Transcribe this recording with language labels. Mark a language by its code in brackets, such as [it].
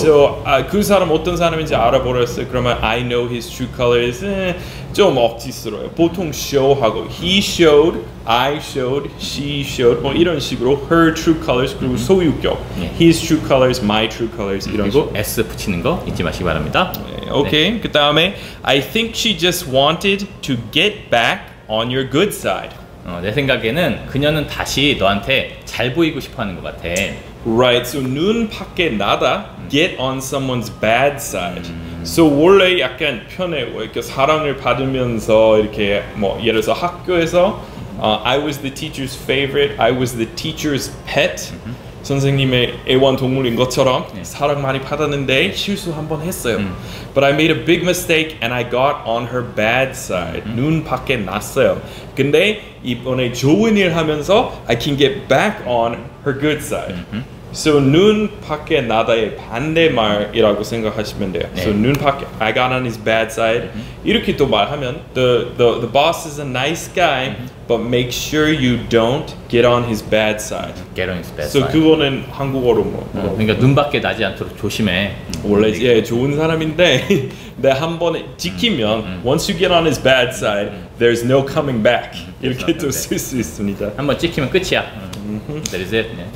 [ko] So 그 사람 어떤 사람인지 알아보렸어요. 그러면 [en] I know his true colors [ko] 좀 억지스러워요. 보통 [en] show [ko] 하고 [en] he showed, I showed, she showed [ko] 뭐 이런 식으로 [en] her true colors [ko] 그리고 소유격 [en] his true colors, my true colors [ko] 이런 거 S 붙이는 거 잊지 마시기 바랍니다. 네, 오케이. 네. [en] 그 다음에 I think she just wanted to get back on your good side. [ko] 내 생각에는 그녀는 다시 너한테 잘 보이고 싶어 하는 것 같아. [en] Right, so [ko] 눈 밖에 나다 [en] get on someone's bad side. [ko] So 원래 약간 편해. 이렇게 사랑을 받으면서 이렇게 뭐 예를 들어서 학교에서 [en] I was the teacher's favorite, I was the teacher's pet. [ko] 선생님의 애완동물인 것처럼 사랑 많이 받았는데 실수 한번 했어요. [en] But I made a big mistake and I got on her bad side. [ko] 눈 밖에 났어요. 근데 이번에 좋은 일 하면서 [en] I can get back on her good side. [ko] So 눈 밖에 나다의 반대말이라고 생각하시면 돼요. [en] 네. So [ko] 눈 밖에 [en] I got on his bad side. [ko] 이렇게 또 말하면 [en] the boss is a nice guy, but make sure you don't get on his bad side. Get on his bad side. [ko] So 그거는 한국어로 뭐. 그러니까 눈 밖에 나지 않도록 조심해. 원래 예 좋은 사람인데 내 한 번에 지키면 [en] once you get on his bad side, there's no coming back. [ko] 이렇게 또 쓸 수 있습니다. 한번 지키면 끝이야. [en] That is it. Yeah.